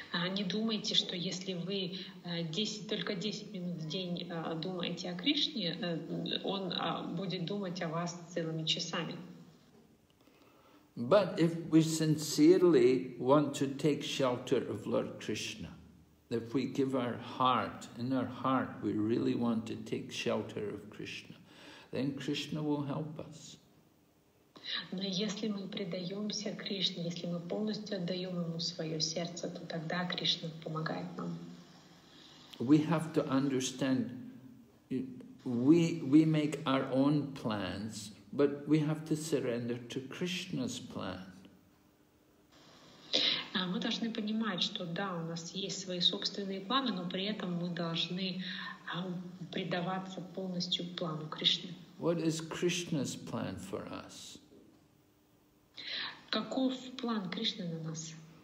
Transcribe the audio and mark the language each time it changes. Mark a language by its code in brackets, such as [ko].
[ru] Не думайте, что если вы 10, только 10 минут в день думаете о Кришне, он будет думать о вас целыми часами. [en] But if we sincerely want to take shelter of Lord Krishna, if we give our heart, in our heart we really want to take shelter of Krishna, then Krishna will help us. [ru] Но если мы предаемся Кришне, если мы полностью отдаем ему свое сердце, то тогда Кришна помогает нам. [en] We have to understand, we make our own plans, but we have to surrender to Krishna's plan. [ru] Мы должны понимать, что да, у нас есть свои собственные планы, но при этом мы должны предаваться полностью плану Кришны. [en] What is Krishna's plan for us? [ru] Каков план Кришны на нас?